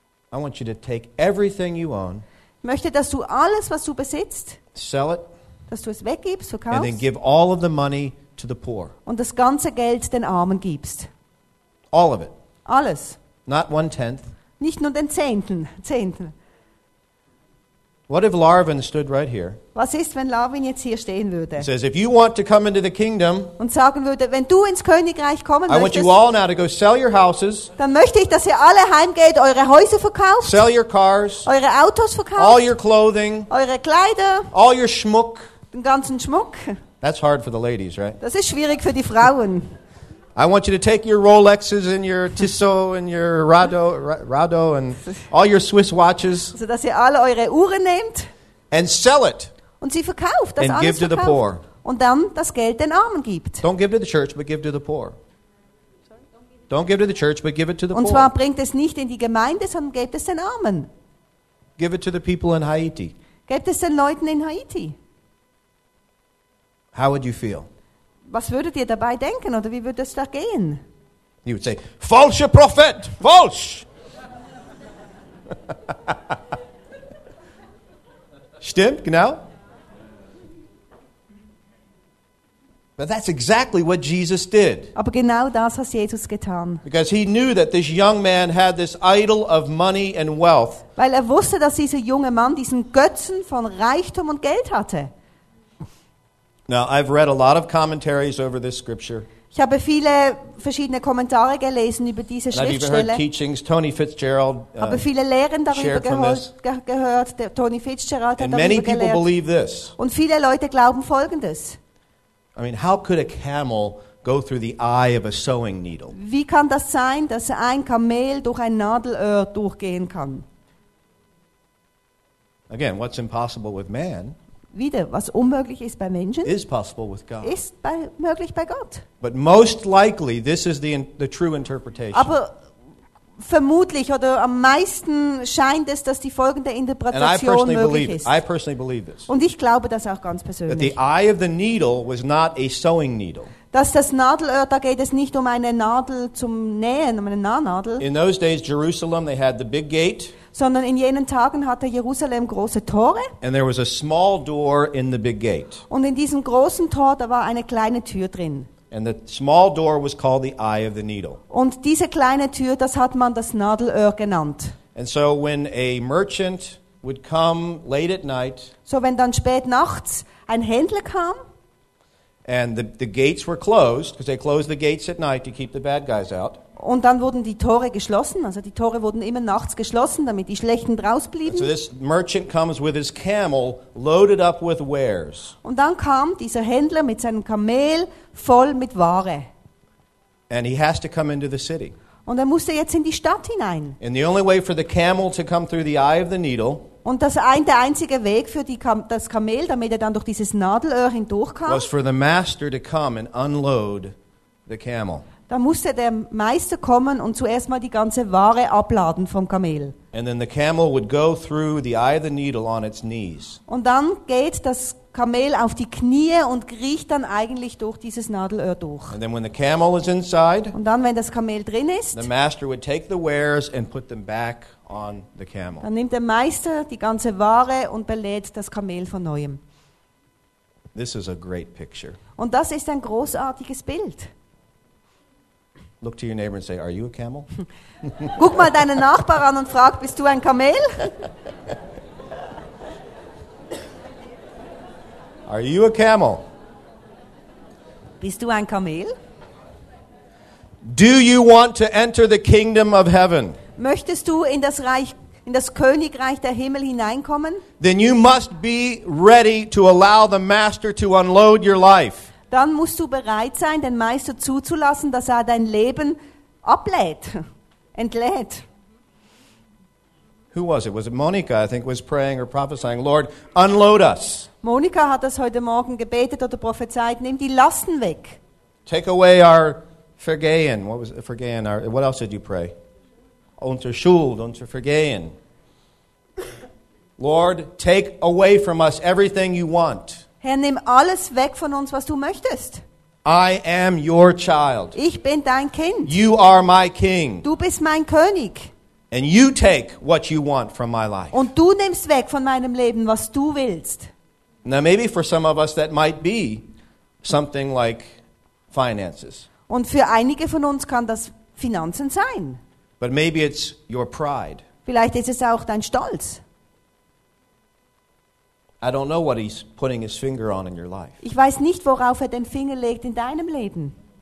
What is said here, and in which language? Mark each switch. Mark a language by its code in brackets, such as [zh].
[en] I want you to take everything you own. [de] Ich möchte, dass du alles, was du besitzt, [en] sell it. [de] Dass du es weggibst, verkaufst. [en] And then give all of the money to the poor. [de] Und das ganze Geld den Armen gibst. [en] All of it. [de] Alles. [en] Not one tenth. [de] Nicht nur den Zehnten. Zehnten. [en] What if Larvin stood right here? [de] Was ist, wenn Larvin jetzt hier stehen würde? [en] Says, if you want to come into the kingdom, [de] und sagen würde, wenn du ins Königreich kommen [en] I [de] möchtest, [en] want you all now to go sell your houses, [de] dann möchte ich, dass ihr alle heimgeht, eure Häuser verkauft, [en] sell your cars, [de] eure Autos verkauft, [en] all your clothing, [de] eure Kleider, [en] all your schmuck, [de] den ganzen Schmuck. [en] That's hard for the ladies, right? [de] Das ist schwierig für die Frauen. [en] I want you to take your Rolexes and your Tissot and your Rado and all your Swiss watches. [de] So dass ihr alle eure Uhren nehmt. [en] And sell it. [de] Und sie verkauft, das [en] and [de] alles [en] give [de] verkauft. [en] To the poor. [de] Und dann das Geld den Armen gibt. [en] Don't give to the church, but give to the poor. Don't give to the church, but give it to the [de] und [en] poor. [de] Und zwar bringt es nicht in die Gemeinde, sondern gebt es den Armen. [en] Give it to the people in Haiti. [de] Gebt es den Leuten in Haiti. [en] How would you feel? [de] Was würdet ihr dabei denken oder wie würde es da gehen? [en] He would say, [de] falscher Prophet, falsch! Stimmt, genau? [en] But that's exactly what Jesus did. [de] Aber genau das hat Jesus getan. [en] Because he knew that this young man had this idol of money and wealth. [de] Weil er wusste, dass dieser junge Mann diesen Götzen von Reichtum und Geld hatte. [en] Now I've read a lot of commentaries over this scripture. [de] Ich habe viele verschiedene Kommentare gelesen über diese Schriftstelle. [en] I've even heard teachings. Tony Fitzgerald. [de] Habe viele Lehren darüber gehört. Tony Fitzgerald hat [en] and many people [de] gelehrt. [en] Believe this. [de] Und viele Leute glauben Folgendes. [en] I mean, how could a camel go through the eye of a sewing needle? [de] Wie kann das sein, dass ein Kamel durch ein Nadelöhr durchgehen kann? [en] Again, what's impossible with man? [de] Wieder, was unmöglich ist bei Menschen, [en] is possible with God. [de] Ist bei, möglich bei Gott. [en] But most likely, this is the true interpretation. [de] Aber vermutlich oder am meisten scheint es, dass die folgende Interpretation [en] and I personally [de] möglich [en] believe [de] ist. [en] I personally believe this. [de] Und ich glaube das auch ganz persönlich. [en] That the eye of the needle was not a sewing needle. [de] Dass das Nadelöhr, da geht es nicht um eine Nadel zum Nähen, um eine Nahnadel. [en] In those days, Jerusalem, they had the big gate. [de] Sondern in jenen Tagen hatte Jerusalem große Tore. [en] And there was a small door in the big gate. [de] Und in diesem großen Tor, da war eine kleine Tür drin. [en] And the small door was called the eye of the needle. [de] Und diese kleine Tür, das hat man das Nadelöhr genannt. [en] And so when a merchant would come late at night, [de] so wenn dann spät nachts ein Händler kam, [en] and the gates were closed, because they closed the gates at night to keep the bad guys out. [de] Und dann wurden die Tore geschlossen, also die Tore wurden immer nachts geschlossen, damit die Schlechten rausblieben. [en] So this merchant comes with his camel loaded up with wares. [de] Und dann kam dieser Händler mit seinem Kamel voll mit Ware. [en] And he has to come into the city. [de] Und er musste jetzt in die Stadt hinein. [en] And the only way for the camel to come through the eye of the needle. [de] Und das der einzige Weg für das Kamel, damit er dann durch dieses Nadelöhr hindurchkam, [en] was for the master to come and unload the camel. [de] Da musste der Meister kommen und zuerst mal die ganze Ware abladen vom Kamel. [en] And then the camel would go through the eye of the needle on its knees. [de] Und dann geht das Kamel auf die Knie und kriecht dann eigentlich durch dieses Nadelöhr durch. [en] And then when the camel is inside, [de] und dann, wenn das Kamel drin ist, [en] the master would take the wares and put them back on the camel. [de] Dann nimmt der Meister die ganze Ware und belädt das Kamel von neuem. [en] This is a great picture. [de] Und das ist ein großartiges Bild. [en] Look to your neighbor and say, are you a camel? [de] Guck mal deinen Nachbar an und frag, bist du ein Kamel? [en] Are you a camel? [de] Bist du ein Kamel? [en] Do you want to enter the kingdom of heaven? [de] Möchtest du in das Reich, in das Königreich der Himmel hineinkommen? [en] Then you must be ready to allow the master to unload your life. [de] Dann musst du bereit sein, den Meister zuzulassen, dass er dein Leben ablädt, entlädt. [en] Who was it? Was it Monica? I think was praying or prophesying. Lord, unload us. [de] Monica hat das heute Morgen gebetet oder prophezeit. Nimm die Lasten weg. [en] Take away our vergehen. What was vergehen? What else did you pray? [de] Unser Schuld, unser vergehen. [en] Lord, take away from us everything you want. [de] Herr, nimm alles weg von uns, was du möchtest. [en] I am your child. [de] Ich bin dein Kind. [en] You are my king. [de] Du bist mein König. [en] And you take what you want from my life. [de] Und du nimmst weg von meinem Leben, was du willst. [en] Now maybe for some of us that might be something like finances. [de] Und für einige von uns kann das Finanzen sein. [en] But maybe it's your pride. [de] Vielleicht ist es auch dein Stolz. [en] I don't know what he's putting his finger on in your life. [de] Ich weiß nicht, worauf er den Finger legt in deinem Leben.